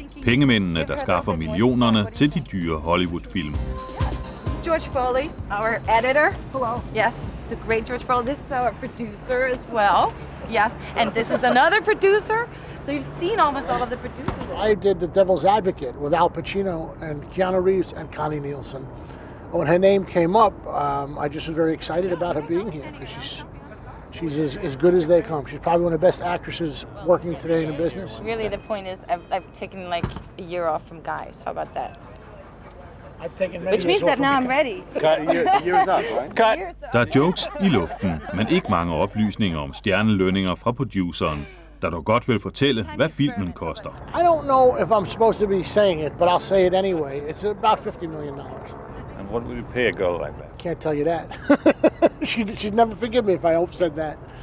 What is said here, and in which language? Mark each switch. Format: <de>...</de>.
<da>Pengemændene, der skaffer millionerne til de dyre Hollywood-film.</da> <en>George Foley, our editor. Hello. Yes, the great George Foley. This is our producer as well. Yes, and this is another producer. So you've seen almost all of the producers. I did The Devil's Advocate with Al Pacino and Keanu Reeves and Connie Nielsen. When her name came up, I just was very excited about her being here because she's as good as they come. She's probably one of the best actresses working today in the business. Really, the point is I've taken like a year off from Guys. How about that? Which means that now I'm ready. Cut.</en> <da>Der er jokes i luften, men ikke mange oplysninger om stjernelønninger fra produceren, der dog godt vil fortælle, hvad filmen koster.</da> <en>I don't know if I'm supposed to be saying it, but I'll say it anyway. It's about $50 million. And what would you pay a girl like that? Can't tell you that. she'd never forgive me if I said that.</en>